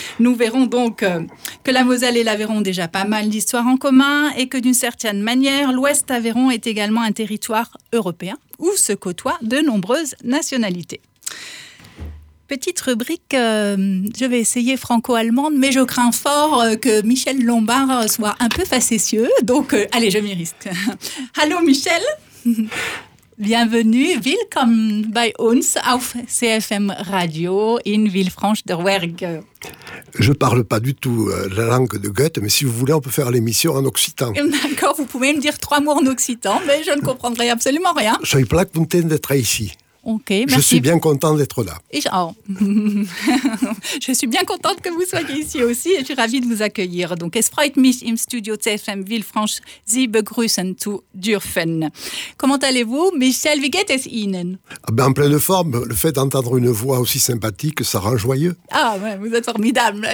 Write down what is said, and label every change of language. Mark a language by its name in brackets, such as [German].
[French] Nous verrons donc que la Moselle et l'Aveyron ont déjà pas mal d'histoires en commun et que d'une certaine manière, l'Ouest Aveyron est également un territoire européen où se côtoient de nombreuses nationalités. Petite rubrique, je vais essayer franco-allemande, mais je crains fort que Michel Lombard soit un peu facétieux, donc allez, je m'y risque. Hallo Michel, bienvenue, [German] willkommen bei uns auf CFM Radio [French] in Villefranche-de-Rouergue. Je ne parle pas du tout la langue de Goethe, mais si vous voulez, on peut faire l'émission en occitan. D'accord, vous pouvez me dire trois mots en occitan, mais je ne comprendrai absolument rien. Je suis plat content d'être ici. Okay, merci. Je suis bien content d'être là. Oh. Je suis bien contente que vous soyez ici aussi et je suis ravie de vous accueillir. [German] Donc, es freut mich im Studio CFM Villefranche, Sie begrüßen zu dürfen. [French] Comment allez-vous, Michel? [German] Wie geht es Ihnen? [French] Ah ben, en pleine forme. Le fait d'entendre une voix aussi sympathique, ça rend joyeux. Ah, ben, vous êtes formidable.